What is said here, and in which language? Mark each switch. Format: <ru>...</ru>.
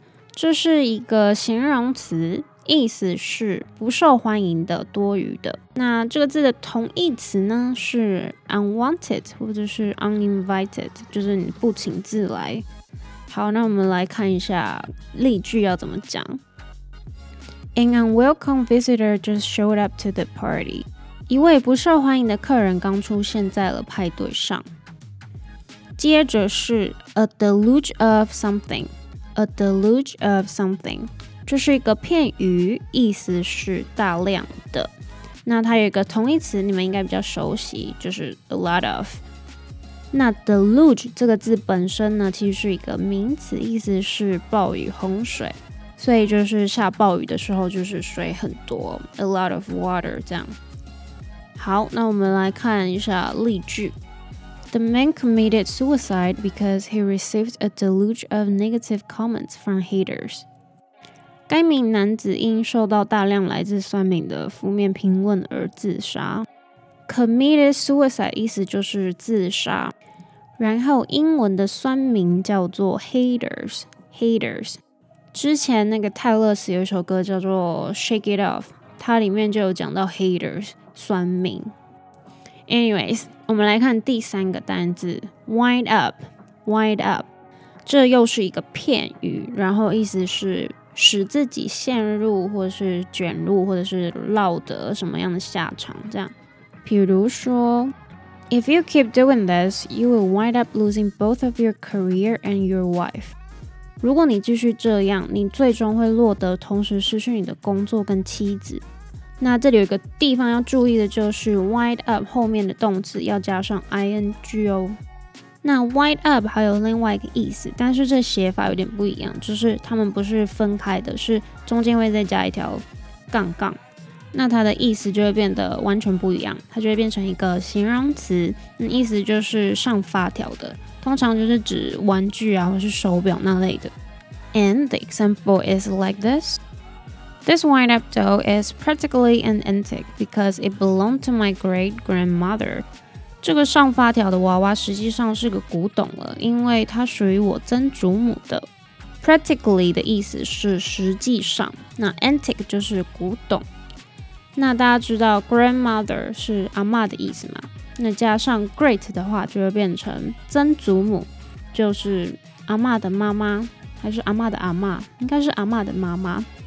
<zh>这是一个形容词，意思是不受欢迎的、多余的。那这个字的同义词呢是 unwanted 或者是 uninvited， 就是你不请自来。好，那我们来看一下例句要怎么讲。</zh> <en>An unwelcome visitor just showed up to the party.</en> <zh>一位不受欢迎的客人刚出现在了派对上。接着是</zh> <en>a deluge of something。 A deluge of something，</en> <zh>这是一个片语，意思是大量的。那它有一个同义词，你们应该比较熟悉，就是</zh> <en>a lot of。</en> <zh>那 deluge 这个字本身呢，其实是一个名词，意思是暴雨、洪水。所以就是下暴雨的时候，就是水很多，</zh> <en>a lot of water</en> <zh>这样。好，那我们来看一下例句。</zh> <en>The man committed suicide because he received a deluge of negative comments from haters.</en> <zh>该名男子因受到大量来自酸民的负面评论而自杀。</zh> <en>Committed suicide</en> <zh>意思就是自杀。然后英文的酸民叫做 haters。之前那个泰勒斯有一首歌叫做 Shake It Off， 它里面就有讲到 haters， 酸民。</zh> <en>Anyways，</en> <zh>我们来看第三个单字 wind up， 这又是一个片语，然后意思是使自己陷入或是卷入或者是落得什么样的下场这样。比如说</zh> <en>If you keep doing this, you will wind up losing both of your career and your wife.</en> <zh>如果你继续这样，你最终会落得同时失去你的工作跟妻子。那这里有一个地方要注意的，就是 wind up 后面的动词要加上 ing 哦。那 wind up 还有另外一个意思，但是这写法有点不一样，就是他们不是分开的，是中间会再加一条杠杠。那它的意思就会变得完全不一样，它就会变成一个形容词，意思就是上发条的，通常就是指玩具啊或是手表那类的。</zh> <en>And the example is like this. This wind-up doll is practically an antique because it belonged to my great-grandmother.</en> <zh>这个上发条的娃娃实际上是个古董了，因为它属于我曾祖母的。 Practically 的意思是实际上，那 antique 就是古董。那大家知道 grandmother 是阿嬷的意思吗？那加上 great 的话就会变成曾祖母，就是阿嬷的妈妈，还是阿嬷的阿嬷，应该是阿嬷的妈妈。</zh>